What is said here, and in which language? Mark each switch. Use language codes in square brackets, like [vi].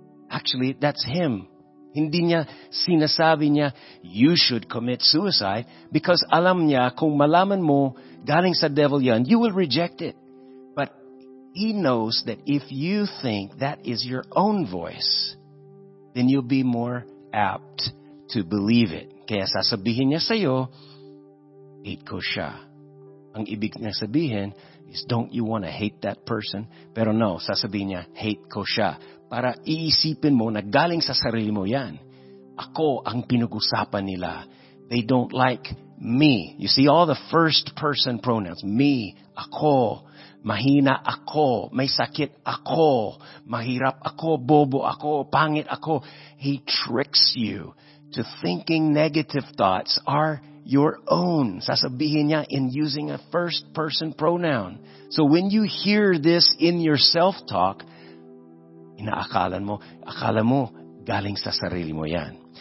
[en] Actually, that's him. [tl] Hindi niya sinasabi niya, [en] you should commit suicide, [tl] because alam niya, kung malaman mo, galing sa devil yan, [en] you will reject it. But he knows that if you think that is your own voice, then you'll be more apt to believe it. [tl] Kaya sasabihin niya sa'yo, hate ko siya. Ang ibig niya sabihin [en] is, don't you want to hate that person? [tl] Pero no, sasabihin niya, hate ko siya. Para iisipin mo na galing sa sarili mo yan. Ako ang pinag-usapan nila. [en] They don't like me. You see all the first person pronouns. [tl] Me, ako, mahina ako, may sakit ako, mahirap ako, bobo ako, pangit ako. [en] He tricks you to thinking negative thoughts are your own. [tl] Sasabihin niya [en] in using a first person pronoun. So when you hear this in your self-talk, [tl] Akala mo, galing sa sarili mo yan.